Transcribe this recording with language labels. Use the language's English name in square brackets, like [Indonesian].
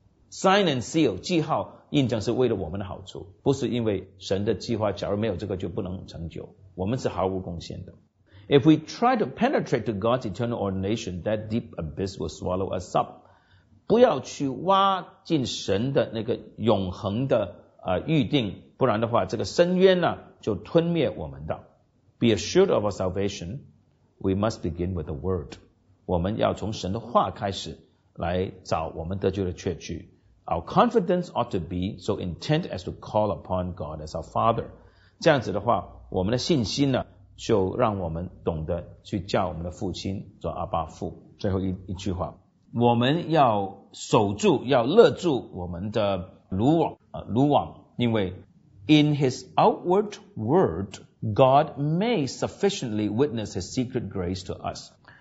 [English] sign and seal [Chinese] 记号印证是为了我们的好处，不是因为神的计划假如没有这个就不能成就，我们是毫无贡献的。 [English] If we try to penetrate to God's eternal ordination, that deep abyss will swallow us up. [Chinese] 不要去挖进神的那个永恒的预定，不然的话这个深渊呢就吞灭我们的。 [English] Be assured of our salvation, we must begin with the word. [Chinese] 我们要从神的话开始来找我们得救的确据。 [English] Our confidence ought to be so intent as to call upon God as our Father. [Chinese] 这样子的话我们的信心呢就让我们懂得去叫我们的父亲做阿爸父。最后 一句话，我们要守住要勒住我们的炉网，因为 [English] In his outward word God may sufficiently witness his secret grace to us.